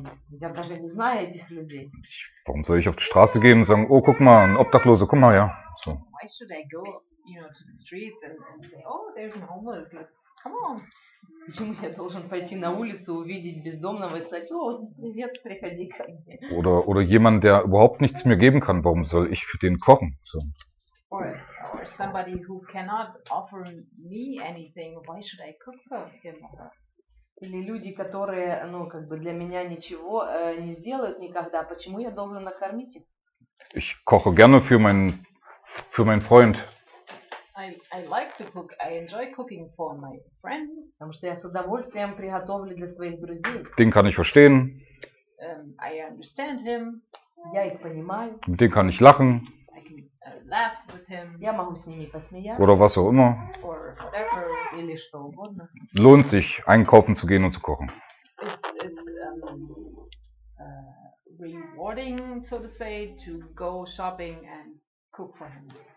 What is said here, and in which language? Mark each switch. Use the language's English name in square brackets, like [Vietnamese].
[Russian] Я даже не знаю этих людей. [German] Warum soll ich auf die Straße gehen und sagen, oh, guck mal, ein Obdachloser, komm mal her. So. [English] Why should I go, you know, to the streets and say, oh, there's a homeless, let's, come on. [Russian] Почему я должен пойти на улицу, увидеть бездомного и сказать, о, привет, приходи ко мне. [German] Oder jemand, der überhaupt nichts mir geben kann, warum soll ich für den kochen? So. [English] Or somebody who cannot offer me anything, why should I cook for him? [Russian] Или люди, которые, ну, как бы для меня ничего не сделают никогда, почему я должен накормить их? [German] Ich koche gerne für mein Freund. [English] I like to cook. I enjoy cooking for my friend. [Russian] Потому что я с удовольствием приготовлю для своих друзей. [German] Den kann ich verstehen. [English] I understand him. [Russian] Я их понимаю. [German] Mit dem kann ich lachen. [English] I can laugh with him. [Russian] Я могу с ними посмеяться. [German] Oder was auch immer. [English] Or whatever, [Russian] или что угодно. [German] Lohnt sich, einkaufen zu gehen und zu kochen. [English] It's rewarding, so to say, to go shopping and cook for him.